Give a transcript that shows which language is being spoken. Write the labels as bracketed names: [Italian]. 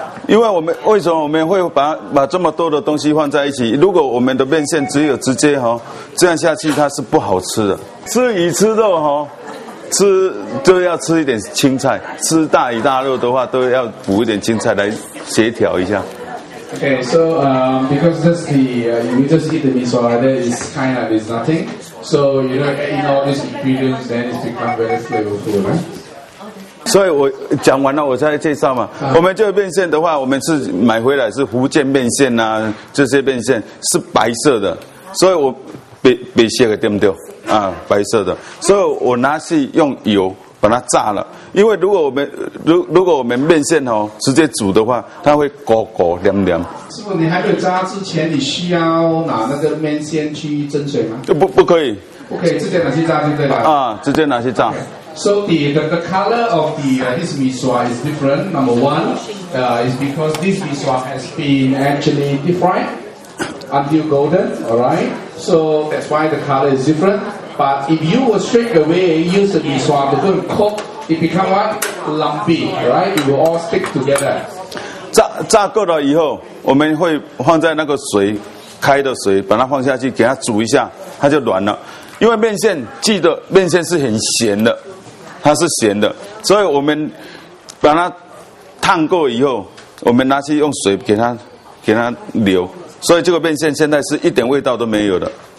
[Chinese] 因为我们为什么我们会把这么多的东西放在一起？如果我们的面线只有直接哈、哦，这样下去它是不好吃的。吃鱼吃肉哈、哦，吃就要吃一点青菜，吃大鱼大肉的话都要补一点青菜来协调一下。 [English] Okay, so because that's the you just eat the meat, so that is kind of is nothing. So you don't eat all these ingredients, then it become very flavorful, right? [Chinese] 所以我讲完了，我再介绍嘛。我们这个面线的话，我们是买回来是福建面线啊，这些面线是白色的，所以我白色的对不对？白色的，所以我拿去用油把它炸了。因为如果我们面线哦直接煮的话，它会糊糊黏黏。师傅，你还没有炸之前，你需要拿那个面线去蒸水吗？不可以。不可以，直接拿去炸就对了。直接拿去炸。 [English] Okay. So the color of the this misua is different. Number one, is because this misua has been actually deep fried until golden. All right. So that's why the color is different. But if you were straight away use the misua to go and cook, it become what lumpy. All right. It will all stick together. [Chinese] 炸够了以后，我们会放在那个水开的水，把它放下去，给它煮一下，它就软了。因为面线，记得面线是很咸的。它是咸的，所以我们把它烫过以后，我们拿去用水给它流，所以这个面线现在是一点味道都没有的。